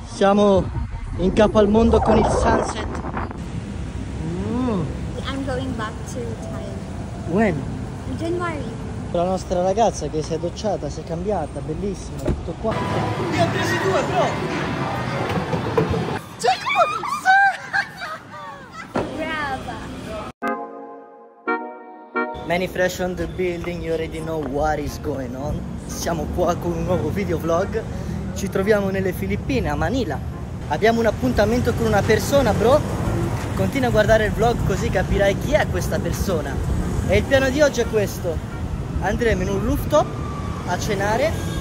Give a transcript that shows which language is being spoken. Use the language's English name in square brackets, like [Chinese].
[Italian] Siamo in capo al mondo con il sunset. [English] I'm going back to Thailand. When? In January. [Italian] La nostra ragazza che si è docciata, si è cambiata, bellissima, tutto qua. Io ho preso due, però! [English] Many fresh on the building, you already know what is going on. [Italian] Siamo qua con un nuovo video vlog. Ci troviamo nelle Filippine, a Manila. Abbiamo un appuntamento con una persona, bro. Continua a guardare il vlog così capirai chi è questa persona. E il piano di oggi è questo. Andremo in un rooftop a cenare.